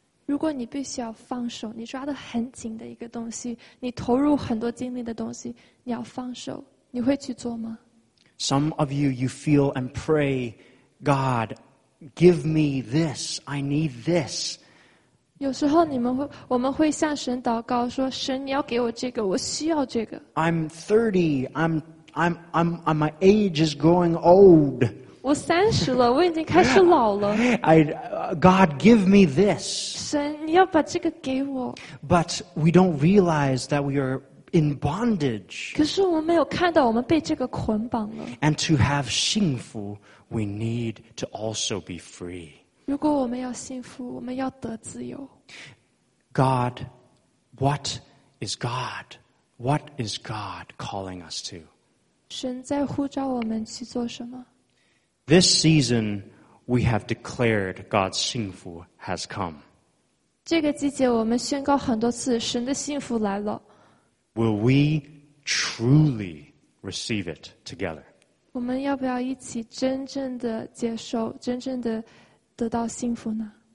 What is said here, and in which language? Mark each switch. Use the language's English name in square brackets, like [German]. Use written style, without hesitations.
[Chinese] 如果你必须要放手，你抓得很紧的一个东西，你投入很多精力的东西，你要放手，你会去做吗？ [English] Some of you, you feel and pray, God, give me this, I need this. [Chinese] 有时候我们会向神祷告说，神你要给我这个，我需要这个。 [English] I'm 30, I'm my age is growing old. [Chinese] 我三十了，我已经开始老了。 [English] God, give me this. [Chinese] 神，你要把这个给我。 [English] But we don't realize that we are in bondage. [Chinese] 可是我们没有看到我们被这个捆绑了。 [English] And to have 幸福, we need to also be free. [Chinese] 如果我们要幸福，我们要得自由。 [English] God, what is God? What is God calling us to? [Chinese] 神在呼召我们去做什么？ [English] This season, we have declared God's 幸福 has come. [Chinese] 这个季节我们宣告很多次神的幸福来了。 [English] Will we truly receive it together? [Chinese] 我们要不要一起真正的接受，真正的得到幸福呢？